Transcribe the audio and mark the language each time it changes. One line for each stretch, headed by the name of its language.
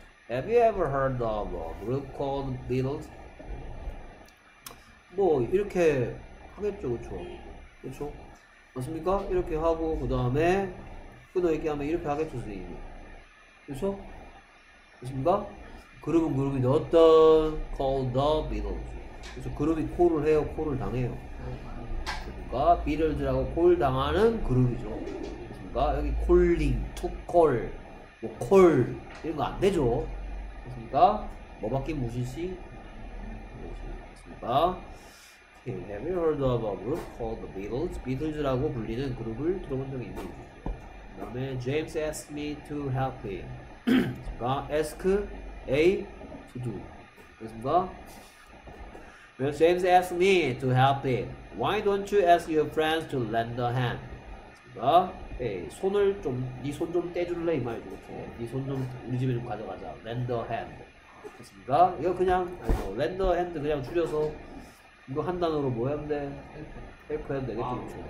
English: Have you ever heard of a group called Beatles?
Korean: 뭐 이렇게 하겠죠, 그렇죠? 그렇죠? 맞습니까? 이렇게 하고 그 다음에 끊어 있게 하면 이렇게 하겠죠, 선생님. 그렇죠? 맞습니까? 그룹은 그룹이 어떤
English: called the Beatles.
Korean: 그래서 그룹이 콜을 해요, 콜을 당해요. 그러니까 비틀즈라고 콜 당하는 그룹이죠. 그러니까 여기 콜링, 투콜, 뭐 콜 이런 거 안 되죠. 그러니까 뭐밖에 무시시? 그러니까
English: Have you heard of a group called the Beatles?
Korean: 비틀즈라고 불리는 그룹을 들어본 적이 있는지. 그다음에
English: James asked me to help him.
Korean: 그러니까
English: ask A to do.
Korean: 그렇습니까?
English: When James asked me to help him, why don't you ask your friends to lend a hand?
Korean: 그러니까, 에이, 손을 좀, 네 손 좀 떼줄래? 이 말이죠. 그렇죠? 네 손 좀 우리 집에 좀 가져가자.
English: Lend a hand.
Korean: 그렇습니까? 이거 그냥, 아니,
English: lend a hand
Korean: 그냥 줄여서 이거 한 단어로 뭐 하면 돼?
English: Help.
Korean: Help 하면 되겠죠.